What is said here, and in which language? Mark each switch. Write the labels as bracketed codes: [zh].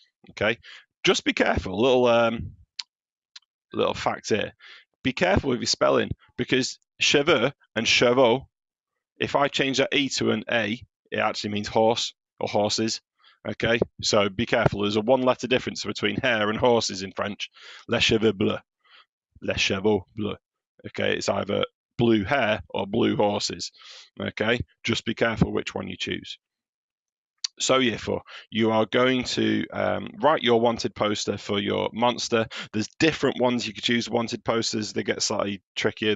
[en] Okay, just be careful. Little fact here. Be careful with your spelling because cheveux and chevaux. If I change that E to an A, it actually means horse or horses. Okay, so be careful. There's a one letter difference between hair and horses in French. [fr] Les cheveux bleus, les chevaux bleus. [en] Okay, it's either blue hair or blue horses. Okay, just be careful which one you choose. So, yeah, for you are going to write your wanted poster for your monster. There's different ones you could choose wanted posters. They get slightly trickier.